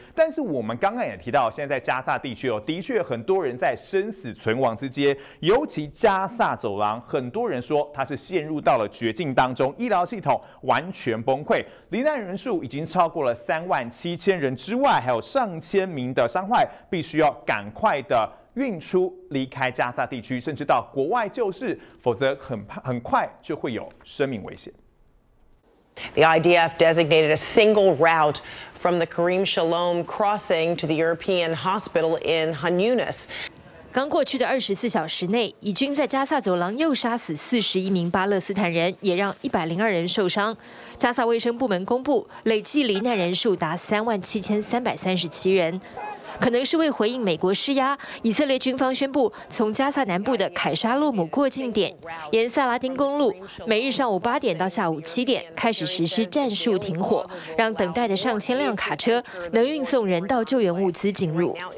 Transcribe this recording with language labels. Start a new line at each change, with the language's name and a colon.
Chinese: 但是我们刚刚也提到，现在在加萨地区哦，的确很多人在生死存亡之间，尤其加萨走廊，很多人说他是陷入到了绝境当中，医疗系统完全崩溃，罹难人数已经超过了37000人之外，还有上千名的伤患必须要赶快的运出离开加萨地区，甚至到国外救治，否则很快就会有生命危险。
English: The IDF designated a single route from the Kerem Shalom crossing to the European hospital in Khan Yunis.
Chinese: 刚过去的24小时内，以军在加萨走廊又杀死41名巴勒斯坦人，也让102人受伤。加萨卫生部门公布，累计罹难人数达37337人。可能是为回应美国施压，以色列军方宣布从加萨南部的凯沙洛姆过境点沿萨拉丁公路每日上午8点到下午7点开始实施战术停火，让等待的上千辆卡车能运送人道救援物资进入。